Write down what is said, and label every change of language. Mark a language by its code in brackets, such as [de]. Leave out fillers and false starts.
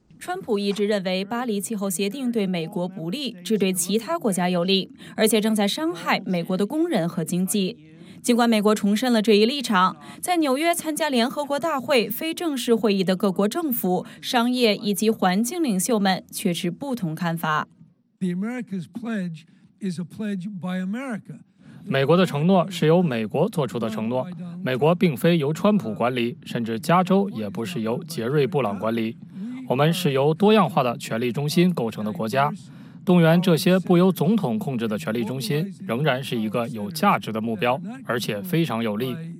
[zh] 川普一直认为巴黎气候协定对美国不利，只对其他国家有利，而且正在伤害美国的工人和经济。尽管美国重申了这一立场，在纽约参加联合国大会非正式会议的各国政府、商业以及环境领袖们却持不同看法。 [en] The America's pledge is a pledge by America. [zh] 美国的承诺是由美国做出的承诺，美国并非由川普管理，甚至加州也不是由杰瑞·布朗管理。我们是由多样化的权力中心构成的国家，动员这些不由总统控制的权力中心仍然是一个有价值的目标，而且非常有利。